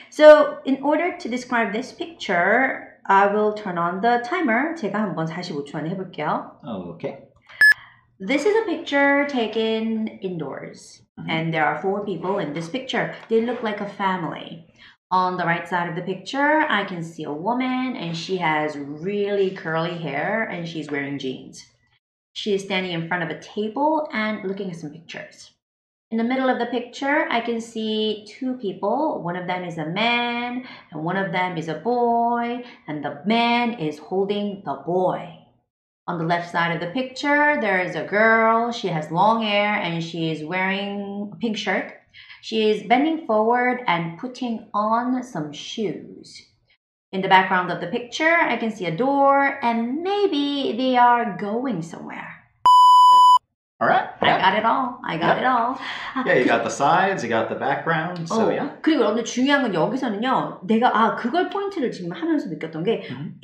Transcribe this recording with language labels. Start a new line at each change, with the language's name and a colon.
English: So in order to describe this picture, I will turn on the timer.
Korean: 제가 한번 45초 안에 해볼게요.
English: Okay. This is a picture taken indoors. Mm-hmm. And there are four people in this picture. They look like a family. On the right side of the picture, I can see a woman and she has really curly hair and she's wearing jeans. She is standing in front of a table and looking at some pictures. In the middle of the picture, I can see two people. One of them is a man and one of them is a boy and the man is holding the boy. On the left side of the picture, there is a girl. She has long hair and she is wearing a pink shirt. She is bending forward and putting on some shoes. In the background of the picture, I can see a door, and maybe they are going somewhere. All right. Yeah. I got it all. I got yep. it all. Yeah, you got the sides, you got the background, so yeah.
Korean: 그리고 근데 중요한 건 여기서는요, 내가 아 그걸 포인트를 지금 하면서 느꼈던 게, mm-hmm.